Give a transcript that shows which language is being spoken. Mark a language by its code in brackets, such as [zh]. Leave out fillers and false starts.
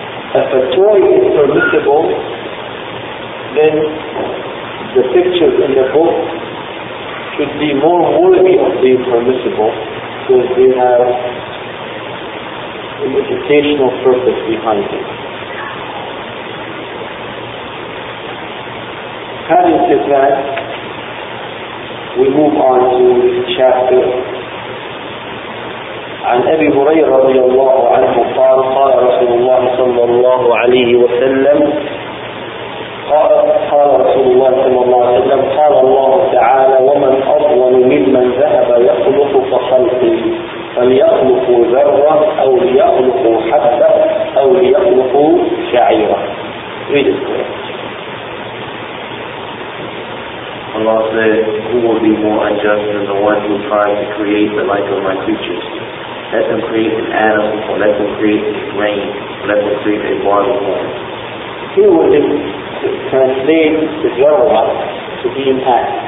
[en] If a toy is permissible, then the pictures in the book should be more worthy of being permissible, because they have an educational purpose behind it. Having said that, we move on to the chapter. [ar] عن أبي هريرة رضي الله عنه قال قال رسول الله صلى الله عليه وسلم قال رسول الله صلى الله عليه وسلم قال الله تعالى ومن أظلم ممن ذهب يخلق فخلقه فليخلقوا ذرة أو ليخلقوا حبة أو ليخلقوا شعيرة. [en] read it for you. Allah said, who will be more unjust than the one who tried to create the like of my creatures? Let them create an atom, or let them create a grain, or let them create a water form. Here we can translate the Jarrah to be impact.